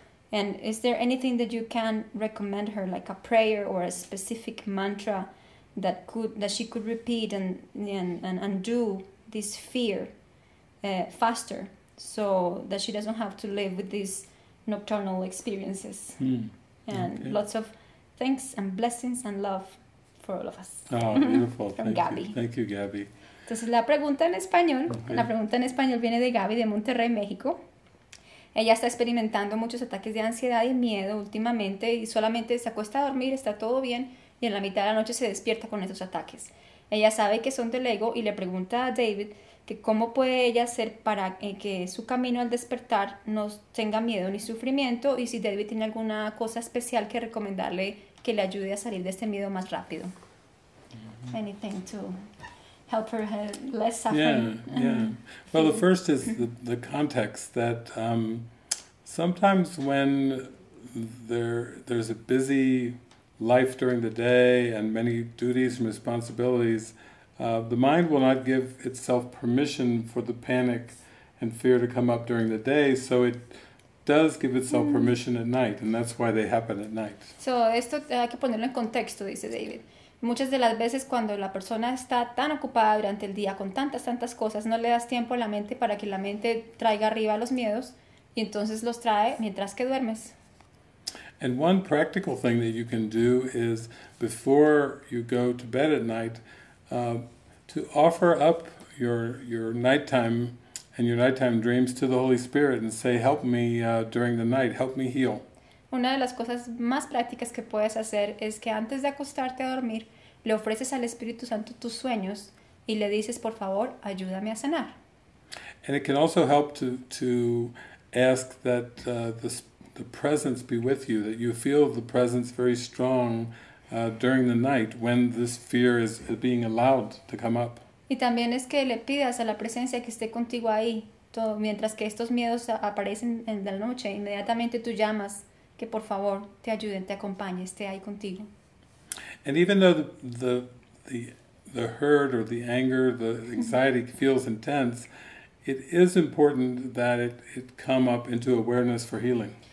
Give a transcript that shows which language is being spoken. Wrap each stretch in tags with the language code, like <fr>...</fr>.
<en>And is there anything that you can recommend her, like a prayer or a specific mantra that she could repeat and undo this fear faster, so that she doesn't have to live with these nocturnal experiences? And okay. Lots of thanks and blessings and love for all of us. Oh, beautiful. From Thank Gabby. You. Thank you, Gabby.</en> <es>Entonces, la pregunta en español, okay. La pregunta en español viene de Gabby de Monterrey, México. Ella está experimentando muchos ataques de ansiedad y miedo últimamente y solamente se acuesta a dormir, está todo bien, y en la mitad de la noche se despierta con esos ataques. Ella sabe que son del ego y le pregunta a David que cómo puede ella hacer para que su camino al despertar no tenga miedo ni sufrimiento, y si David tiene alguna cosa especial que recomendarle que le ayude a salir de este miedo más rápido.</es> <en>Anything to help her have less suffering. Yeah. Well, the first is the context that sometimes when there's a busy life during the day and many duties and responsibilities, the mind will not give itself permission for the panic and fear to come up during the day, so it does give itself permission at night, and that's why they happen at night.</en> <es>So, esto hay que ponerlo en contexto, dice David. Muchas de las veces cuando la persona está tan ocupada durante el día con tantas cosas, no le das tiempo a la mente para que la mente traiga arriba los miedos, y entonces los trae mientras que duermes.</es> <en>And one practical thing that you can do is, before you go to bed at night, to offer up your nighttime and your nighttime dreams to the Holy Spirit and say, help me during the night, help me heal.</en> <es>Una de las cosas más prácticas que puedes hacer es que antes de acostarte a dormir, le ofreces al Espíritu Santo tus sueños y le dices, por favor, ayúdame a sanar.</es> <en>And it can also help to ask that the presence be with you, that you feel the presence very strong during the night when this fear is being allowed to come up.</en> <es>Y también es que le pidas a la presencia que esté contigo ahí, todo, mientras que estos miedos aparecen en la noche, inmediatamente tú llamas, que por favor te ayuden, te acompañe, esté ahí contigo.</es> <en>And even though the hurt or the anger, the anxiety feels intense, it is important that it come up into awareness for healing.</en>